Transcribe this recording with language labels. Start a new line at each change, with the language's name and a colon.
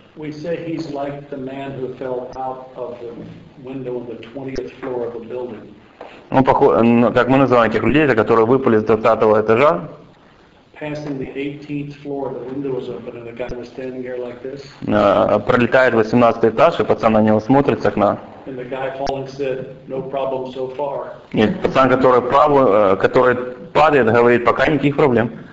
English: We say he's like the man who fell out of the window on the 20th floor of a building.
Russian: Ну, как мы называем этих людей, которые выпали с 20-го этажа.
English: passing the 18th floor, the window was open, and the guy was standing here like this.
Russian: Пролетает 18 этаж, и пацан на него смотрит с окна.
English: And the guy falling said, "No problem so far."
Russian: Нет, пацан, который который падает, говорит, пока никаких проблем.